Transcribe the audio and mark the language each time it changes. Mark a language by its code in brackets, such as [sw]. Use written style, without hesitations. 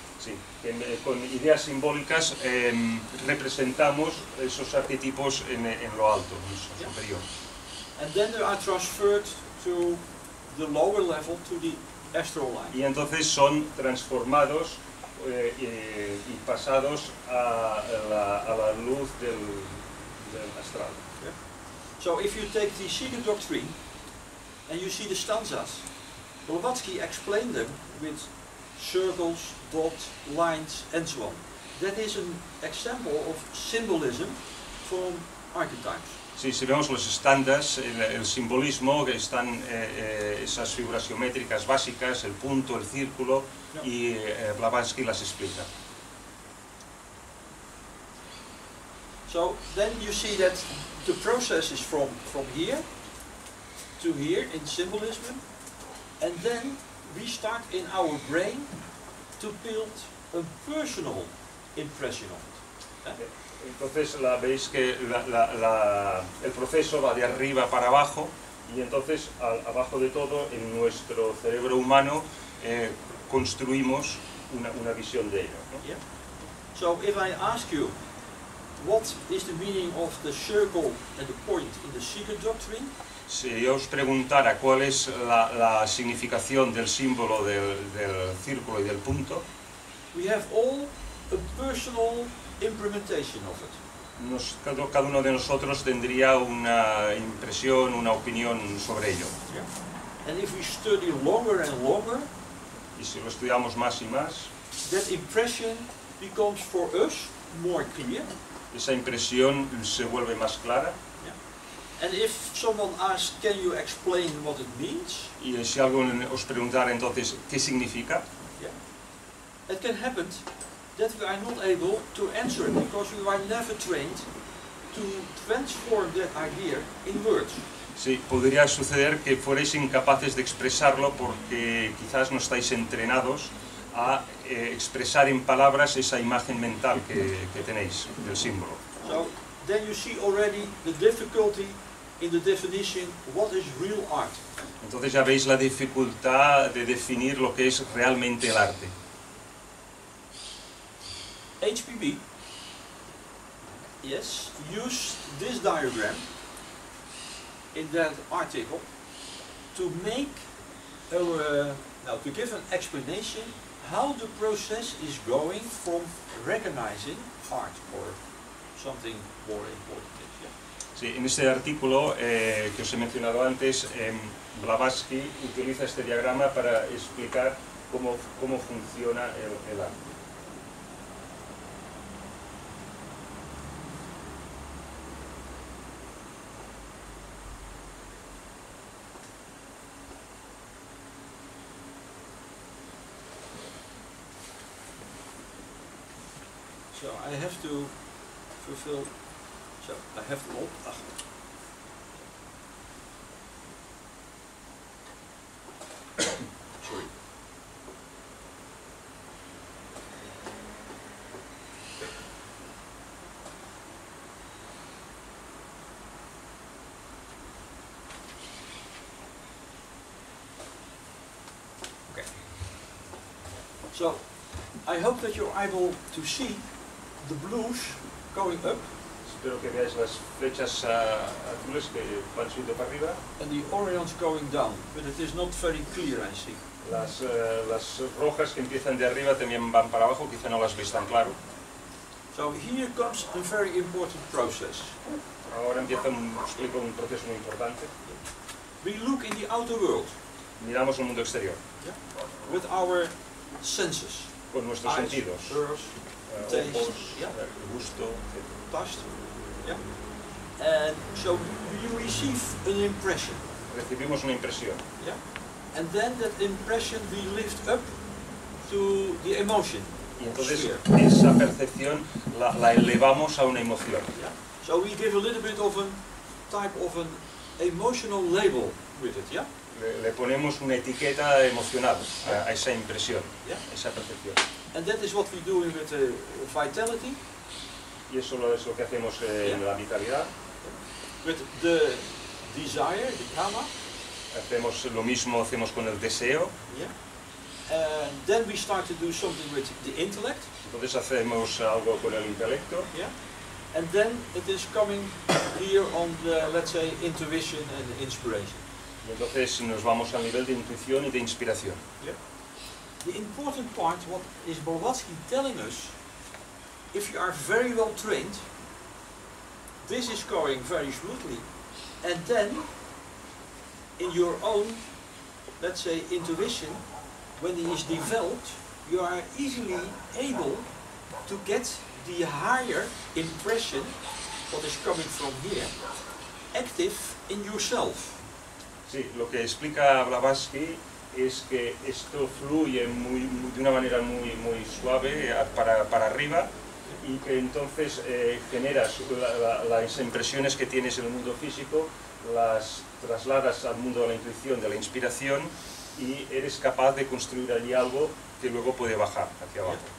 [es] Sí, con ideas simbólicas representamos esos arquetipos en lo alto, en lo superior. [en] And then they are transferred to the lower level, to the astral line. [es] Y entonces son transformados y pasados a la luz del astral. [en] So if you take the secret doctrine and you see the stanzas, Blavatsky explained them with circles, dots, lines, and so on. That is an example of symbolism from archetypes. [es] Sí, si vemos los estándares, el simbolismo, que están esas figuras geométricas básicas, el punto, el círculo, y Blavatsky las explica. [en] So then you see that the process is from here to here in symbolism, and then we start in our brain to build a personal impression of it. [es] Entonces la veis que el proceso va de arriba para abajo, y entonces abajo de todo en nuestro cerebro humano construimos una visión de ello. [en] Yeah. So if I ask you, what is the meaning of the circle and the point in the secret doctrine? [es] Si yo os preguntara cuál es la significación del símbolo del círculo y del punto, [en] we have all a personal implementation of it. [es] Cada uno de nosotros tendría una impresión, una opinión sobre ello. [en] Yeah. And if we study longer and longer, [es] y si lo estudiamos más y más, [en] that impression becomes for us more clear. [es] Esa impresión se vuelve más clara. [en] And if someone asks, can you explain what it means? [es] Y si alguien os preguntara entonces, ¿qué significa? [en] Yeah. It can happen that we are not able to answer it because we were never trained to transform that idea in words. [es] Sí, podría suceder que fuerais incapaces de expresarlo porque quizás no estáis entrenados a expresar en palabras esa imagen mental que tenéis del símbolo. [en] So, then you see already the difficulty in the definition what is real art. [es] Entonces ya veis la dificultad de definir lo que es realmente el arte. [en] HPB, yes, used this diagram in that article to make to give an explanation how the process is going from recognizing art or something more important. [es] Sí, en este artículo que os he mencionado antes, Blavatsky utiliza este diagrama para explicar cómo funciona el arte. [en] So I have to fulfill. So I have to hold. Sorry. Okay. So I hope that you're able to see the blues going up. [es] Espero que veáis las flechas azules que van subiendo para arriba. [en] And the orange going down, but it is not very clear, I see. [es] Las rojas que empiezan de arriba también van para abajo, quizá no las veis tan claro. [en] So here comes a very important process. [es] Ahora explico un proceso muy importante. [en] We look in the outer world. [es] Miramos el mundo exterior. [en] Yeah. With our senses. [es] Con nuestros [en] eyes, [es] sentidos. [en] Ears, taste, [es] ojos, gusto, [en] touch. Yeah. And so you receive an impression. [es] Recibimos una impresión. [en] Yeah. And then that impression we lift up to the emotion. [es] Y entonces esa percepción la elevamos a una emoción. [en] Yeah. So we give a little bit of a type of an emotional label with it, yeah? [es] le ponemos una etiqueta emocional a esa impresión, yeah, esa percepción. [en] And that is what we do with the vitality. [es] Y eso es lo que hacemos en la vitalidad. [en] With the desire, the kama. [es] Hacemos lo mismo, hacemos con el deseo. [en] And then we start to do something with the intellect. [es] Entonces hacemos algo con el intelecto. [en] And then it is coming here on the, let's say, intuition and inspiration. [es] Entonces nos vamos al nivel de intuición y de inspiración. [en] The important part, what is Blavatsky telling us, if you are very well trained, this is going very smoothly. And then, in your own, let's say, intuition, when it is developed, you are easily able to get the higher impression, what is coming from here, active in yourself. [es] Sí, lo que explica Blavatsky es que esto fluye de una manera muy, muy suave para arriba y que entonces generas las impresiones que tienes en el mundo físico, las trasladas al mundo de la intuición, de la inspiración, y eres capaz de construir allí algo que luego puede bajar hacia abajo.